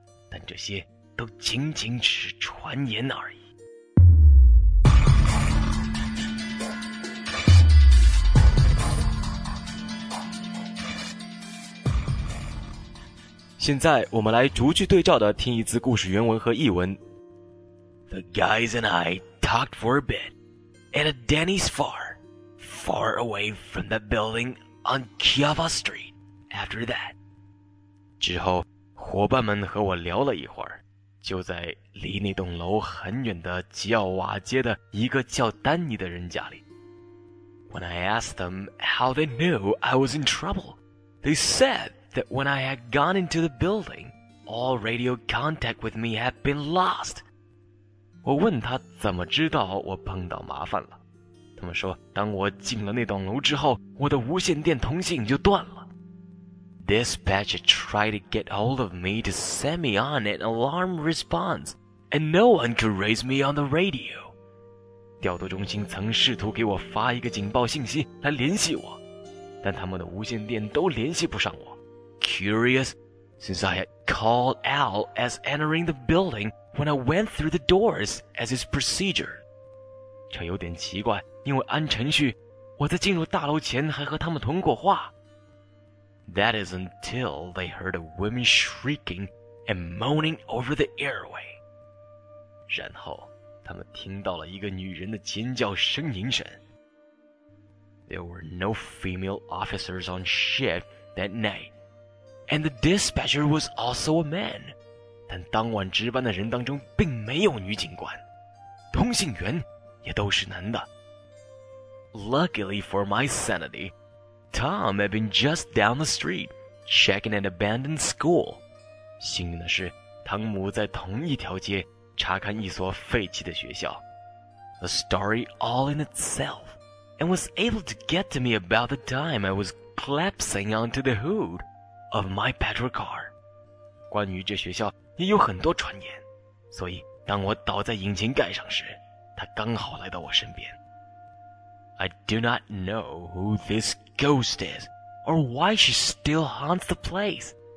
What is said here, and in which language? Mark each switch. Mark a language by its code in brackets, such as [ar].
[zh] 但这些都仅仅只是传言而已。现在我们来逐句对照的听一次故事原文和译文。 [en] The guys and I talked for a bit at a Denny's far, far away from that building on Kiava Street. After that, [zh] 之后伙伴们和我聊了一会儿。就在离那栋楼很远的吉奥瓦街的一个叫丹尼的人家里。 [en] When I asked them how they knew I was in trouble, they said that when I had gone into the building, all radio contact with me had been lost. [zh] 我问他怎么知道我碰到麻烦了。他们说，当我进了那栋楼之后，我的无线电通信就断了。 [en] Dispatch tried to get hold of me to send me on an alarm response, and no one could raise me on the radio. [zh] 调度中心曾试图给我发一个警报信息来联系我，但他们的无线电都联系不上我。 [en] Curious, since I had called Al as entering the building when I went through the doors as his procedure. [zh] 这有点奇怪，因为按程序，我在进入大楼前还和他们通过话。 [en] That is until they heard a woman shrieking and moaning over the airway. [zh] 然后，他们听到了一个女人的尖叫呻吟声。 [en] There were no female officers on shift that night, and the dispatcher was also a man. [zh] 但当晚值班的人当中并没有女警官，通信员也都是男的。 [en] Luckily for my sanity, Tom had been just down the street, checking an abandoned school. [zh] 幸运的是，汤姆在同一条街查看一所废弃的学校。 [en] A story all in itself. And was able to get to me about the time I was collapsing onto the hood of my patrol car. [zh] 关于这学校也有很多传言，所以当我倒在引擎盖上时，他刚好来到我身边。 [en] I do not know who this ghost is, or why she still haunts the place.